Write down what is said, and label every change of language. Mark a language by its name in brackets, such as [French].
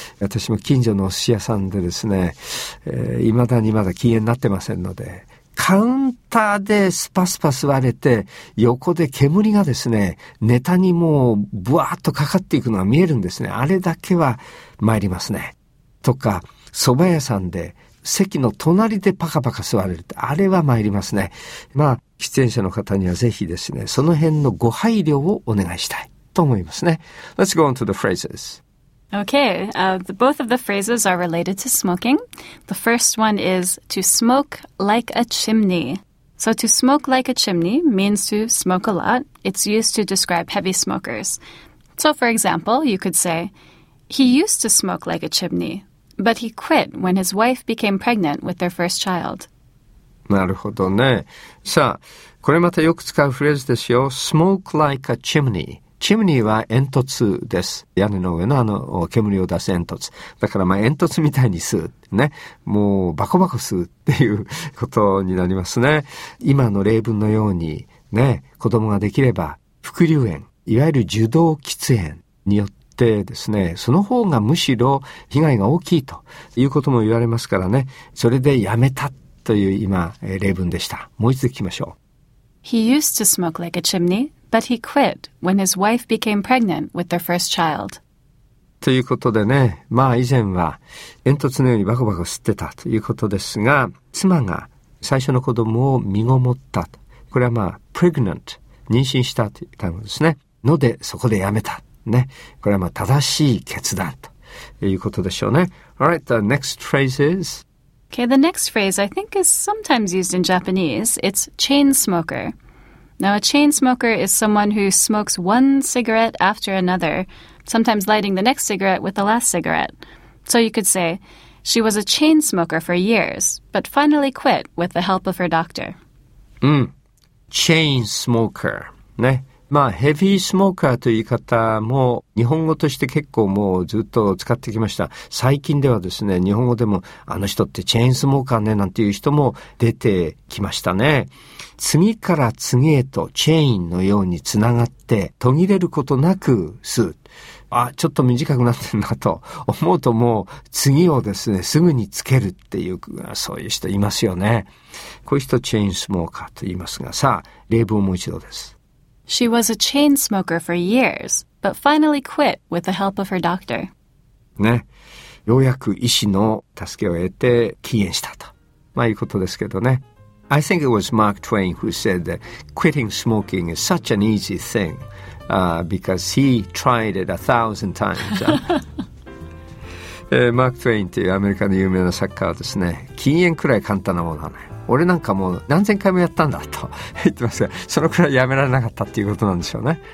[Japanese] 私も近所のお寿司屋さんでですね、未だにまだ禁煙になってませんので、カウンターでスパスパ吸われて、横で煙がですね、ネタにもうブワーッとかかっていくのが見えるんですね。あれだけは参りますね。とか蕎麦屋さんで席の隣でパカパカ吸われる、あれは参りますね。まあ喫煙者の方にはぜひですね、その辺のご配慮をお願いしたいと思いますね。 [English] Let's go on to the phrases. Okay, both of the phrases are related to smoking. The first one is to smoke like a chimney. So to smoke like a chimney means to smoke a lot. It's used to describe heavy smokers. So for example, you could say, he used to smoke like a chimney, but he quit when his wife became pregnant with their first child. [Japanese] なるほどね。さあ、これまたよく使うフレーズですよ。 [English] Smoke like a chimney. [Japanese] チムニーは煙突です。屋根の上のあの煙を出す煙突。だからまあ煙突みたいに吸う。ね。もうバコバコ吸うっていうことになりますね。今の例文のようにね、子供ができれば、副流煙、いわゆる受動喫煙によってでですね、その方がむしろ被害が大きいということも言われますからね。それでやめたという今例文でした。もう一度聞きましょう。 [English] He used to smoke like a chimney, but he quit when his wife became pregnant with their first child. [Japanese] ということでね、まあ以前は煙突のようにバコバコ吸ってたということですが、妻が最初の子供を身ごもったと。これはまあ pregnant、妊娠したという単語ですね。のでそこでやめた。ね、これはまあ正しい決断ということでしょうね。 [English] Alright, the next phrase is... Okay, the next phrase I think is sometimes used in Japanese. It's chain smoker. Now, a chain smoker is someone who smokes one cigarette after another, sometimes lighting the next cigarette with the last cigarette. So you could say, she was a chain smoker for years, but finally quit with the help of her doctor. Chain smoker, ね。 [Japanese] まあ、ヘビースモーカーという言い方も日本語として結構もうずっと使ってきました。最近ではですね、日本語でもあの人ってチェーンスモーカーねなんていう人も出てきましたね。次から次へとチェーンのようにつながって途切れることなく吸う。あ、ちょっと短くなってんなと思うともう次をですね、すぐにつけるっていう、そういう人いますよね。こういう人チェーンスモーカーと言いますが、さあ、例文をもう一度です。 She was a chain smoker for years, but finally quit with the help of her doctor. ね。ようやく医師の助けを得て禁煙したと。まあいうことですけどね。 [English] I think it was Mark Twain who said that quitting smoking is such an easy thing, because he tried it 1,000 times. [Japanese] マーク・トウェインっていうアメリカの有名な作家はですね、禁煙くらい簡単なものだね。俺なんかもう何千回もやったんだと言ってますが、そのくらいやめられなかったっていうことなんでしょうね。